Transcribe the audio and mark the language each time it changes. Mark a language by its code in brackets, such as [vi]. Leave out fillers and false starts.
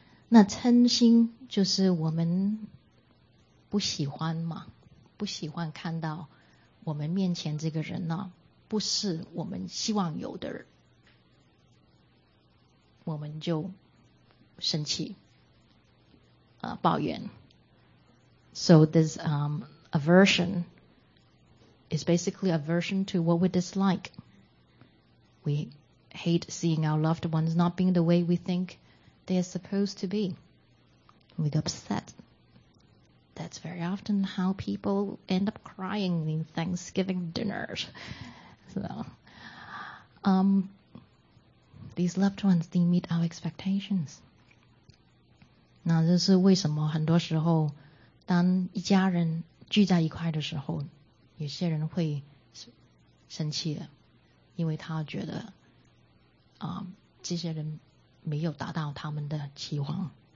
[zh] 那嗔心就是我们不喜欢嘛，不喜欢看到我们面前这个人呢，不是我们希望有的人，我们就生气，抱怨。 [en] So this aversion is basically aversion to what we dislike. We hate seeing our loved ones not being the way we think they are supposed to be. We get upset. That's very often how people end up crying in Thanksgiving dinners. So, these loved ones, they meet our expectations. [zh] 那这是为什么很多时候当一家人聚在一块的时候，有些人会生气的，因为他觉得这些人没有达到他们的期望。